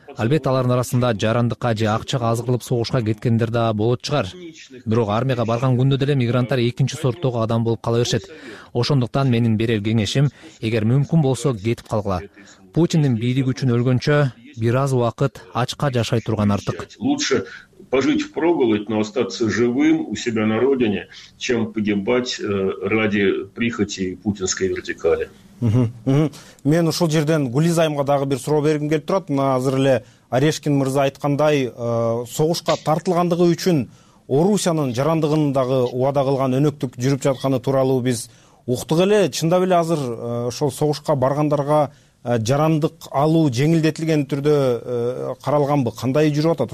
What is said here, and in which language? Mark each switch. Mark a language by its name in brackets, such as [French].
[Kyrgyz] Албетте алардын арасында жарандыкка же акчага азгырылып согушка кеткендер да болот чыгар. Бирок армияга барган күндө деле мигранттар экинчи сорттогу адам болуп кала беришет. Ошондуктан менин берер кеңешим, эгер мүмкүн болсо кетип калгыла. Путиндин бийлиги үчүн өлгөнчө бир аз убакыт ачка жашай турган артык. [Russian] Лучше пожить впроголодь, но остаться живым у себя на родине, чем погибать ради прихоти путинской вертикали. [Kyrgyz] Мен ушул жерден Гулиз айымга дагы бир суроо бергим келип турат. Мына азыр эле Орешкин мырза айткандай, согушка тартылгандыгы үчүн Орусиянын жарандыгын дагы убада кылган өнөктүк жүрүп жатканы тууралуу биз уктук эле. Чындап эле азыр ошол согушка баргандарга жарандык алуу жеңилдетилген түрдө каралганбы? Кандай жүрүп атат?